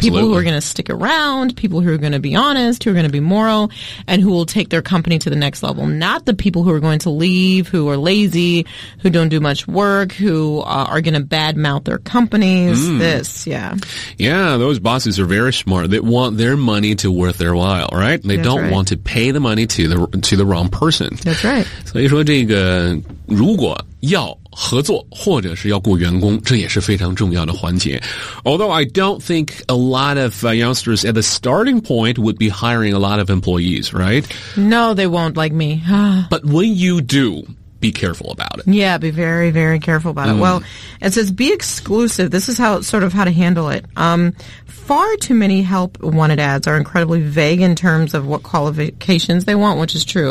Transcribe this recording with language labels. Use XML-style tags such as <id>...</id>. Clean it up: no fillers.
<en>People who are going to stick around, people who are going to be honest, who are going to be moral, and who will take their company to the next level. Not the people who are going to leave, who are lazy, who don't do much work, who are going to badmouth their companies. Yeah, those bosses are very smart. They want their money to worth their while, right? They don't want to pay the money money to the wrong person. That's right.</en> <zh>所以说这个如果要合作或者是要雇员工这也是非常重要的环节。</zh> <en>Although I don't think a lot of youngsters at the starting point would be hiring a lot of employees, right? No, they won't like me. But when you do... Be careful about it. Yeah, be very, very careful about it. Well, it says be exclusive. This is how, sort of how to handle it. Far too many help wanted ads are incredibly vague in terms of what qualifications they want, which is true.</en>